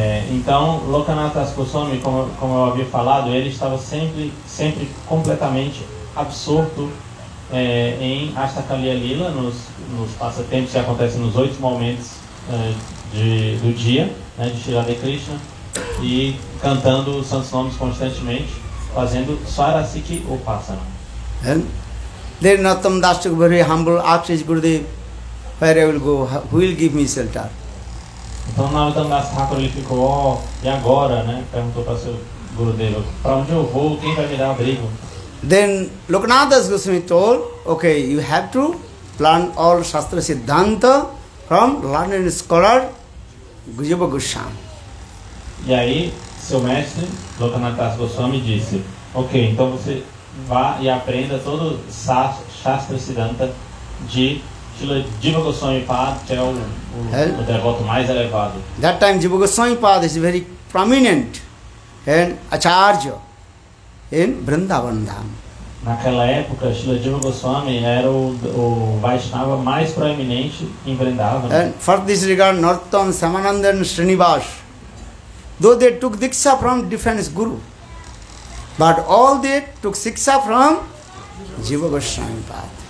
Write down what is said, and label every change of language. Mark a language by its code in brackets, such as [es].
[pt] Então, Loknath Das Goswami, como eu havia falado, ele estava sempre completamente absorto em Ashtakaliya Lila, nos passatempos que acontecem nos oito momentos do dia, né, de Shri Radha Krishna, e cantando os santos nomes constantemente, fazendo Swarasiki Upasana. [en] Then Narottam Das Thakur, very humble, asked Gurudev, where I will go, who will give me shelter? [pt] Então Narottam Das Thakur, ele ficou, e agora, né? Perguntou para o seu Gurudev, para onde eu vou, quem vai me dar abrigo? [en] Then Loknath Das Goswami told, okay, you have to learn all Shastra Siddhanta from learned scholar Gujiva Goswami. [pt] E aí, seu mestre, Loknath Das Goswami, disse, okay, então você vá e aprenda todo Shastra Siddhanta de Shila Jiva Goswami Pad, que é o devoto mais elevado. [en] That time Jiva Goswami Pad is very prominent and acharya em Vrindavan Dham. [pt] Naquela época, Shila Jiva Goswami era o Vaishnava mais proeminente em Vrindavan. [en] And for this regard, Narottam, Samananda and Srinivas, though they took Diksha from different guru, But all they took siksha from Jiva Goswami Pada.